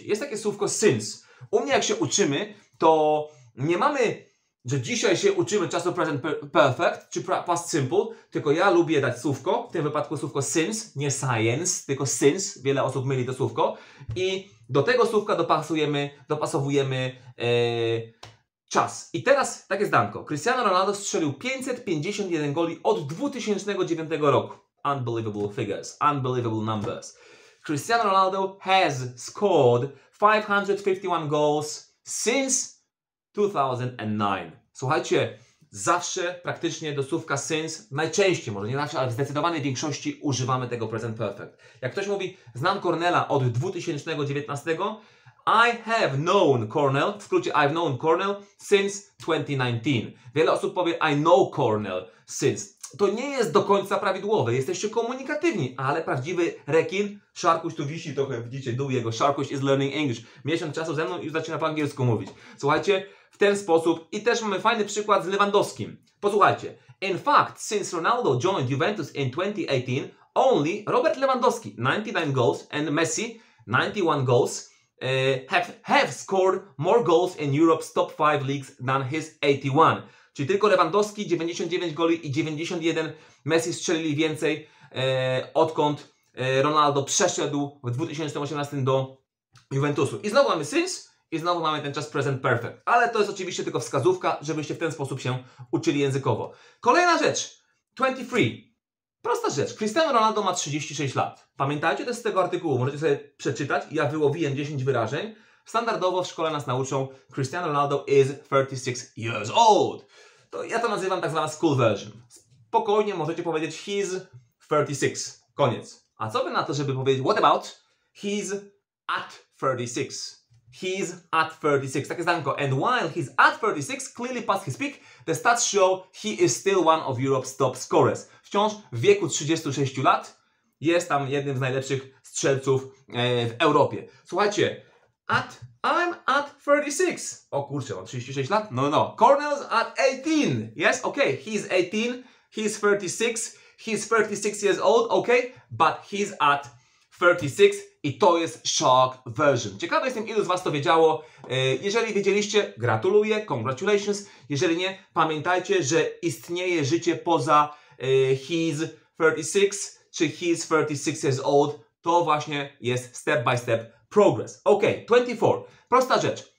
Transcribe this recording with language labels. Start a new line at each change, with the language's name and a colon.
Polish: Jest takie słówko since. U mnie jak się uczymy, to nie mamy, że dzisiaj się uczymy czasu present perfect czy past simple, tylko ja lubię dać słówko, w tym wypadku słówko since, nie science, tylko since, wiele osób myli to słówko i do tego słówka dopasowujemy czas. I teraz takie zdanko. Cristiano Ronaldo strzelił 551 goli od 2009 roku.
English: Unbelievable figures, unbelievable numbers. Cristiano Ronaldo has scored 551 goals since 2009.
Polish: Słuchajcie, zawsze praktycznie do słówka since, najczęściej może, nie zawsze, ale w zdecydowanej większości używamy tego present perfect. Jak ktoś mówi, znam Cornela od 2019,
English: I have known Cornell,
Polish: w skrócie
English: I've known Cornell since 2019.
Polish: Wiele osób powie,
English: I know Cornell since.
Polish: To nie jest do końca prawidłowe, jesteście komunikatywni, ale prawdziwy rekin, Szarkuś tu wisi trochę, widzicie, dół jego,
English: Szarkuś is learning English.
Polish: Miesiąc czasu ze mną i już zaczyna po angielsku mówić. Słuchajcie, w ten sposób i też mamy fajny przykład z Lewandowskim. Posłuchajcie.
English: In fact, since Ronaldo joined Juventus in 2018, only Robert Lewandowski, 99 goals, and Messi, 91 goals, have scored more goals in Europe's top 5 leagues than his 81.
Polish: Czyli tylko Lewandowski 99 goli i 91 Messi strzelili więcej, odkąd Ronaldo przeszedł w 2018 do Juventusu. I znowu mamy since i znowu mamy ten czas present perfect. Ale to jest oczywiście tylko wskazówka, żebyście w ten sposób się uczyli językowo. Kolejna rzecz. 23. Prosta rzecz. Cristiano Ronaldo ma 36 lat. Pamiętajcie to z tego artykułu. Możecie sobie przeczytać. Ja wyłowiłem 10 wyrażeń. Standardowo w szkole nas nauczą
English: Cristiano Ronaldo is 36 years old.
Polish: To ja to nazywam tak zwana
English: school version.
Polish: Spokojnie możecie powiedzieć
English: he's 36.
Polish: Koniec. A co by na to, żeby powiedzieć
English: what about he's at 36? he's at 36.
Polish: Takie zdanko.
English: And while he's at 36, clearly past his peak, the stats show he is still one of Europe's top scorers.
Polish: Wciąż w wieku 36 lat jest tam jednym z najlepszych strzelców w Europie. Słuchajcie,
English: I'm at 36.
Polish: O kurczę, mam 36 lat? No.
English: Cornell's at 18. Yes, okay, he's 18. He's 36. He's 36 years old, okay, but he's at 36
Polish: i to jest
English: shock version.
Polish: Ciekawe jestem, ilu z Was to wiedziało. Jeżeli wiedzieliście, gratuluję,
English: congratulations.
Polish: Jeżeli nie, pamiętajcie, że istnieje życie poza
English: he's 36
Polish: czy
English: he's 36 years old.
Polish: To właśnie jest
English: step by step progress.
Polish: Okay, 24. Prosta rzecz.